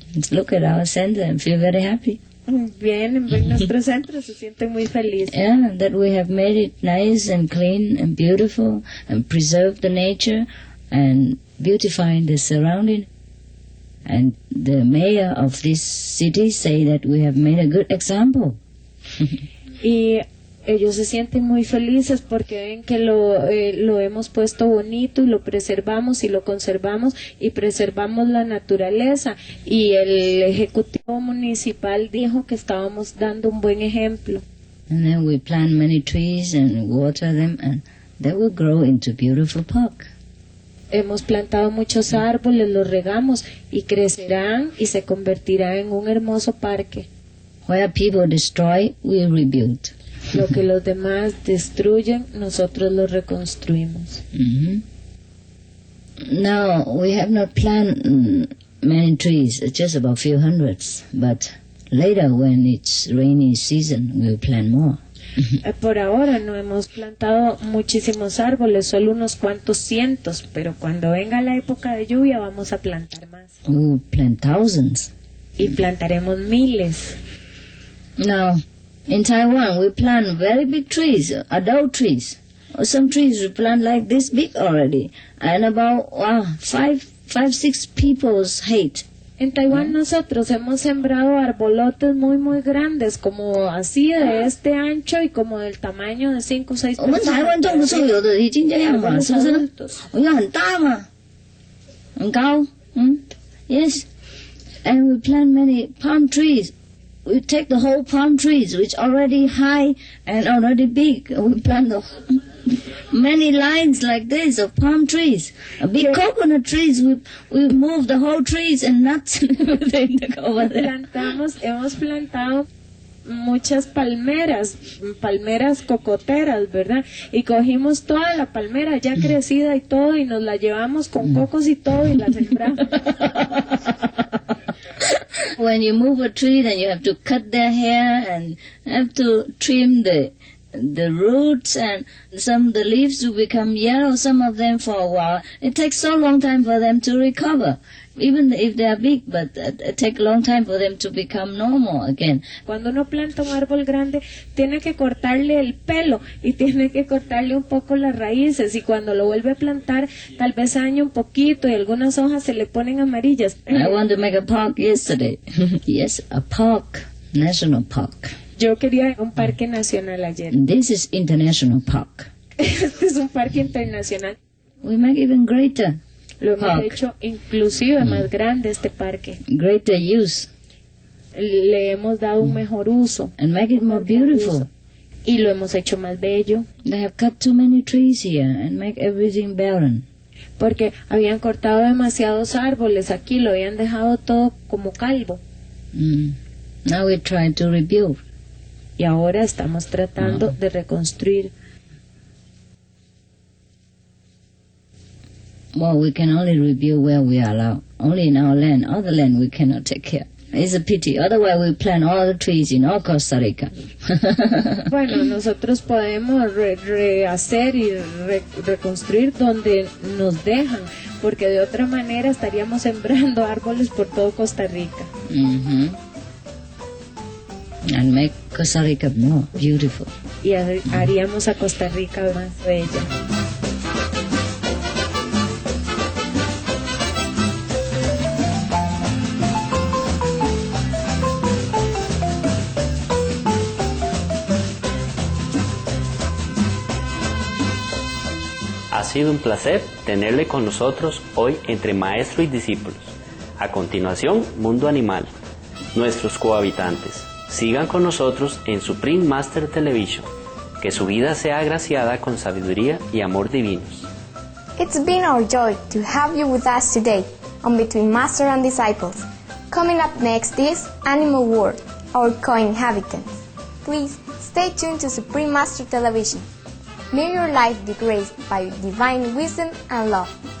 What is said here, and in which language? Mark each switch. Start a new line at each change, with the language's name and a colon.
English: Look at our center and feel very happy.
Spanish: Bien, en nuestro centro se siente muy feliz.
English: Yeah, that we have made it nice and clean and beautiful and preserved the nature and beautifying the surrounding. And the mayor of this city say that we have made a good example.
Spanish: Y ellos se sienten muy felices porque ven que lo hemos puesto bonito y lo preservamos y lo conservamos y preservamos la naturaleza. Y el ejecutivo municipal dijo que estábamos dando un buen ejemplo.
English: And then we plant many trees and water them and they will grow into beautiful park.
Spanish: Hemos plantado muchos árboles, los regamos y crecerán y se convertirán en un hermoso parque.
English: Where people destroy, we rebuild.
Spanish: Lo que los demás destruyen, nosotros lo reconstruimos.
English: Now, we have not planted many trees, just about a few hundreds, but later when it's rainy season, we'll plant more.
Spanish: Por ahora no hemos plantado muchísimos árboles, solo unos cuantos cientos, pero cuando venga la época de lluvia vamos a plantar más.
English: We'll plant thousands.
Spanish: Y plantaremos miles.
English: Now, in Taiwan, we plant very big trees, adult trees. Some trees we plant like this big already, and about five, six people's height.
Spanish: En Taiwan nosotros hemos sembrado arbolotes muy, muy grandes, como así de este ancho y como del tamaño de 5 o 6 personas.
Chinese: 我们台湾种树有的已经这样嘛，是不是？我们很大嘛，很高。
English: Yes, and we plant many palm trees. We take the whole palm trees, which already high and already big. We plant the many lines like this of palm trees. Big coconut trees, we move the whole trees and nuts over there.
Spanish: Hemos plantado muchas palmeras, palmeras cocoteras, ¿verdad? Y cogimos toda la palmera ya crecida y todo, y nos la llevamos con cocos y todo, y la sembramos.
English: When you move a tree, then you have to cut their hair and have to trim the roots, and some of the leaves will become yellow, some of them for a while. It takes so long time for them to recover. Even if they are big, but it takes a long time for them to become normal again.
Spanish: Cuando uno planta un árbol grande, tiene que cortarle el pelo y tiene que cortarle un poco las raíces. Y cuando lo vuelve a plantar, tal vez daña un poquito y algunas hojas se le ponen amarillas.
English: I want to make a park yesterday. Yes, a park, national park.
Spanish: Yo quería un parque nacional ayer.
English: This is international park.
Spanish: Este es un parque internacional.
English: We make even greater.
Spanish: Lo hemos hecho inclusive más grande este parque.
English: Greater use.
Spanish: Le hemos dado un mejor uso.
English: And make it more beautiful.
Spanish: Y lo hemos hecho más bello.
English: They have cut too many trees here and make everything barren.
Spanish: Porque habían cortado demasiados árboles aquí, lo habían dejado todo como calvo.
English: Now we try to rebuild.
Spanish: Y ahora estamos tratando de reconstruir.
English: Well, we can only rebuild where we are allowed. Only in our land. Other land we cannot take care. It's a pity. Otherwise, we plant all the trees in all Costa Rica.
Spanish: Bueno, nosotros podemos rehacer y reconstruir donde nos dejan, porque de otra manera estaríamos sembrando árboles por todo Costa Rica.
English: Mm-hmm. And make Costa Rica more beautiful.
Spanish: Y haríamos a Costa Rica más bella. Ha sido un placer tenerle con nosotros hoy entre maestro y discípulos. A continuación, Mundo Animal, nuestros cohabitantes. Sigan con nosotros en Supreme Master Television. Que su vida sea agraciada con sabiduría y amor divinos.
English: It's been our joy to have you with us today on Between Master and Disciples. Coming up next is Animal World, our co-inhabitants. Please stay tuned to Supreme Master Television. May your life be graced by divine wisdom and love.